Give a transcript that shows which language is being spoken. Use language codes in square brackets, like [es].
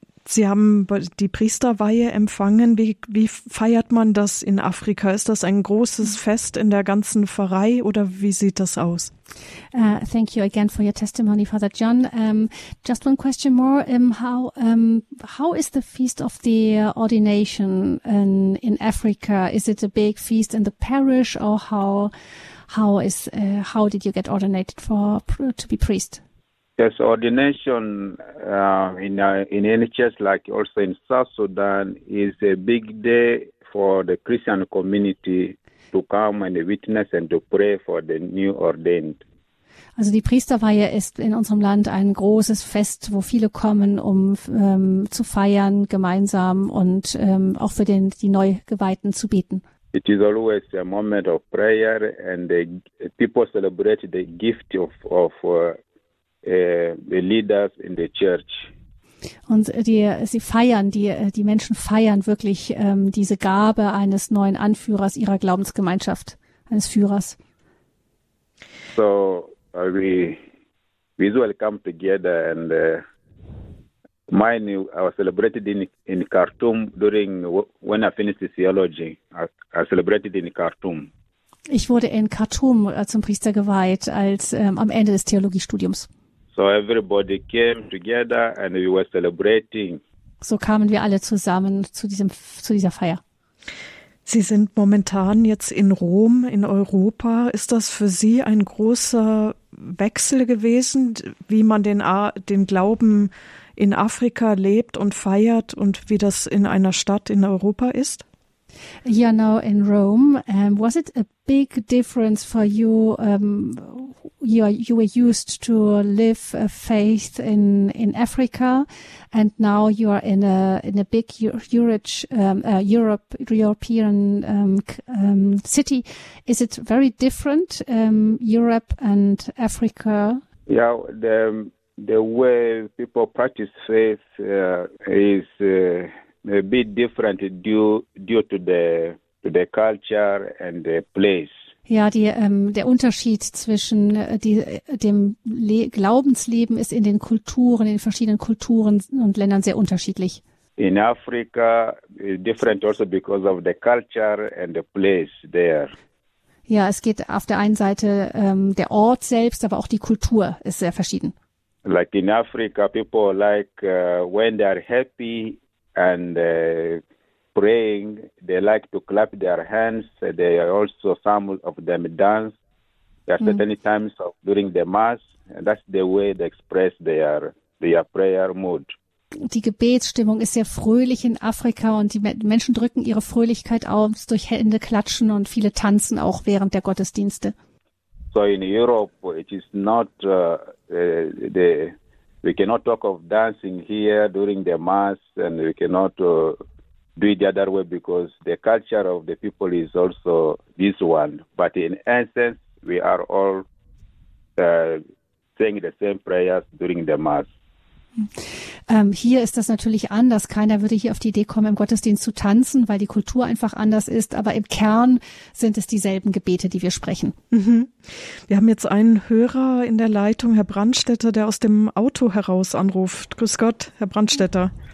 [de] Sie haben die Priesterweihe empfangen. Wie feiert man das in Afrika? Ist das ein großes Fest in der ganzen Pfarrei oder wie sieht das aus? [en] Thank you again for your testimony, Father John. Just one question more. How is the feast of the ordination in Africa? Is it a big feast in the parish or how did you get ordinated to be priest? Yes, ordination in NHS, like also in South Sudan, is a big day for the Christian community to come and witness and to pray for the new ordained. [de] Also die Priesterweihe ist in unserem Land ein großes Fest, wo viele kommen, um zu feiern gemeinsam und auch für die Neugeweihten zu beten. [en] It is always a moment of prayer and people celebrate the gift of the leaders in the church. [de] Und die Menschen feiern wirklich diese Gabe eines neuen Anführers ihrer Glaubensgemeinschaft, eines Führers. [en] So we usually come together and Mine, I was celebrated in Khartoum during when I finished the theology. I celebrated in Khartoum. [de] Ich wurde in Khartoum zum Priester geweiht als am Ende des Theologiestudiums. [en] So everybody came together and we were celebrating. [de] So kamen wir alle zusammen zu dieser Feier. Sie sind momentan jetzt in Rom, in Europa. Ist das für Sie ein großer Wechsel gewesen, wie man den Glauben in Afrika lebt und feiert und wie das in einer Stadt in Europa ist? [en] Yeah, now in Rome, was it a big difference for you? You were used to live a faith in Africa, and now you are in a big European city. Is it very different, Europe and Africa? Yeah, the way people practice faith is a bit different due to the culture and the place. [de] Ja, der Unterschied zwischen dem Glaubensleben ist in den Kulturen, in den verschiedenen Kulturen und Ländern sehr unterschiedlich. [en] In Africa is different also because of the culture and the place there. [de] Ja, es geht auf der einen Seite der Ort selbst, aber auch die Kultur ist sehr verschieden. [en] Like in Africa, people like when they are happy and praying, they like to clap their hands. They are also, some of them dance. There are certain times during the mass, and that's the way they express their prayer mood. Die Gebetsstimmung ist sehr fröhlich in Afrika und die Menschen drücken ihre Fröhlichkeit aus durch Hände klatschen und viele tanzen auch während der Gottesdienste. So in Europe, it is not we cannot talk of dancing here during the mass, and we cannot do it the other way because the culture of the people is also this one. But in essence, we are all saying the same prayers during the mass. [de] Hier ist das natürlich anders. Keiner würde hier auf die Idee kommen, im Gottesdienst zu tanzen, weil die Kultur einfach anders ist. Aber im Kern sind es dieselben Gebete, die wir sprechen. Mhm. Wir haben jetzt einen Hörer in der Leitung, Herr Brandstätter, der aus dem Auto heraus anruft. Grüß Gott, Herr Brandstätter.